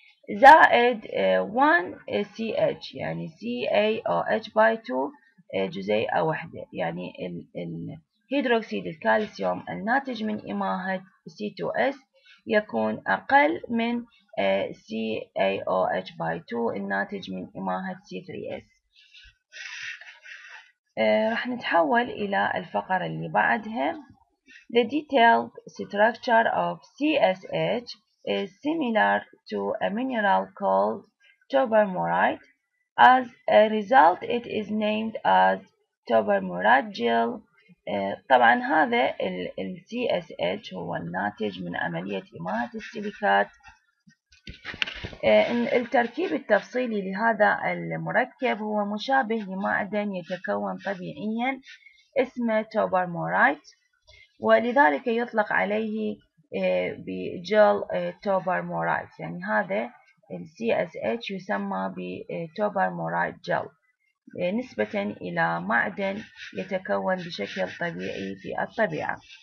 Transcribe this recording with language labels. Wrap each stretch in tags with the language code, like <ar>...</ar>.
<ar>زائد 1CH يعني CaOH by 2 جزيئة واحدة، يعني الهيدروكسيد الكالسيوم الناتج من إماهة C2S يكون أقل من CaOH by 2 الناتج من إماهة C3S. راح نتحول إلى الفقرة اللي بعدها.</ar> <en>The detailed structure of CSH is similar to a mineral called tobermorite. As a result, it is named as tobermorite gel.</en> <ar>طبعا هذا ال CSH هو الناتج من عملية إماهة السيليكات. التركيب التفصيلي لهذا المركب هو مشابه لمعدن يتكون طبيعيا اسمه توبرمورايت، ولذلك يطلق عليه بجل توبرمورايت، يعني هذا ال CSH يسمى بتوبرمورايت جل نسبة إلى معدن يتكون بشكل طبيعي في الطبيعة.</ar>